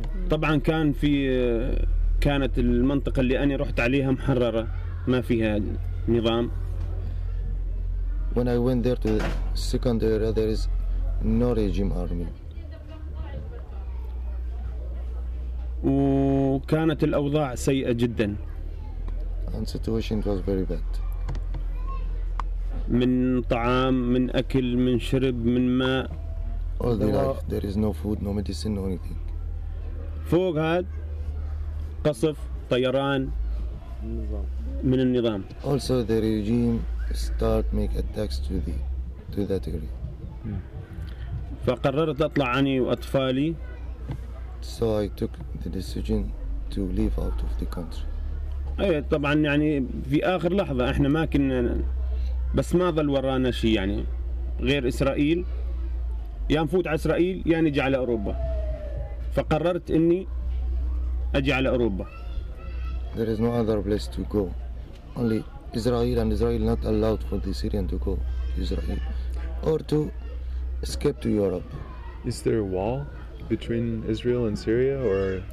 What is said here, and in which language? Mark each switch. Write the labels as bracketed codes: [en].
[ar] طبعا كان في كانت المنطقة اللي أنا رحت عليها محررة ما فيها نظام. [en] When I went there to the second area, there is no regime army. [ar] وكانت الأوضاع سيئة جدا. [en] And situation was very bad. [ar] من طعام، من أكل، من شرب، من ماء. [en] All the life, there is no food, no medicine, no anything. [ar] فوق هذا قصف طيران من النظام. [en] Also the regime start make attacks to the to that area. [ar] فقررت أطلع أنا وأطفالي. [en] So I took the decision to leave out of the country. [ar] ايه طبعا يعني في اخر لحظه احنا ما كنا بس ما ظل ورانا شيء يعني غير اسرائيل يا نفوت على اسرائيل يا نجي على اوروبا فقررت اني اجي على اوروبا. [en] There is no other place to go. Only Israel and Israel not allowed for the Syrian to go to Israel or to escape to Europe. Is there a wall between Israel and Syria or